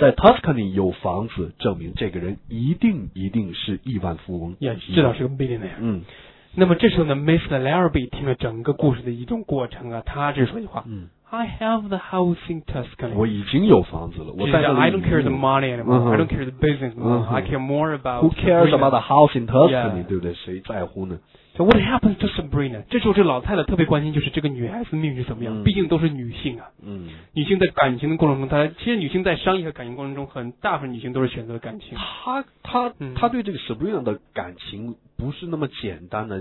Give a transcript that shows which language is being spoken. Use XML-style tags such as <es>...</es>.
<zh>在 Tuscany 有房子，证明这个人一定是亿万富翁。也知道是个 billionaire。嗯。那么这时候呢 ，Miss Larrabee 听了整个故事的一种过程啊，他这说句话，</zh> <en>I have the house in Tuscany.</en> <zh>我已经有房子了。我在这里。</zh> <en>I don't care the money anymore. I don't care the business anymore. I care more about. Who cares about the house in Tuscany?、 Yeah.</en> <zh>对不对？谁在乎呢？</zh> <en>So what happened to Sabrina?</en> <zh>这时候这老太太特别关心就是这个女孩子命运怎么样、嗯、毕竟都是女性啊。嗯。女性在感情的过程中她其实女性在商业和感情过程中很大部分女性都是选择感情。她对这个 Sabrina 的感情不是那么简单的。</zh>